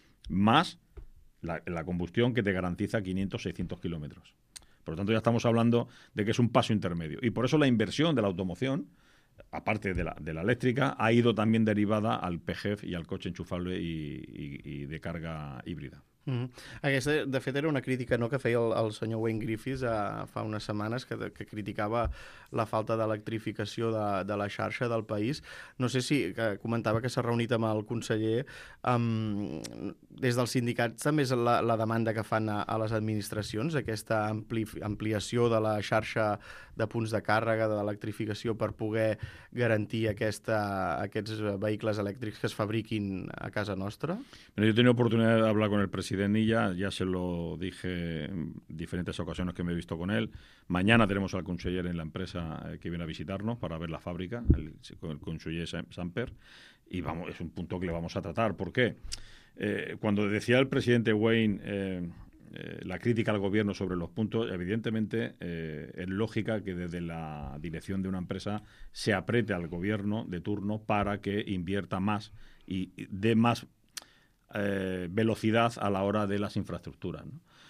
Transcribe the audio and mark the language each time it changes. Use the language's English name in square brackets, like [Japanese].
[Spanish] Más la combustión que te garantiza 500, 600 kilómetros. Por lo tanto, ya estamos hablando de que es un paso intermedio. Y por eso la inversión de la automoción, aparte de la eléctrica, ha ido también derivada al PHEV y al coche enchufable y de carga híbrida. Mm-hmm. [Catalan] Aquesta, de fet, era una crítica, no?, que feia el senyor Wayne Griffiths fa unes setmanes, que criticava la falta d'electrificació de la xarxa del país. No sé si que comentava que s'ha reunit amb el conseller. Des dels sindicats també és la demanda que fan a les administracions, aquesta ampliació de la xarxa de punts de càrrega, d'electrificació, per poder garantir aquests vehicles elèctrics que es fabriquin a casa nostra? [Spanish] Bueno, yo he tenido oportunidad de hablar con el presidente y ya se lo dije en diferentes ocasiones que me he visto con él. Mañana tenemos al conseller en la empresa que viene a visitarnos para ver la fábrica, el conseller Samper, y vamos, es un punto que le vamos a tratar. ¿Por qué? Cuando decía el presidente Wayne la crítica al gobierno sobre los puntos, evidentemente es lógica que desde la dirección de una empresa se apriete al gobierno de turno para que invierta más y dé más velocidad a la hora de las infraestructuras, ¿no?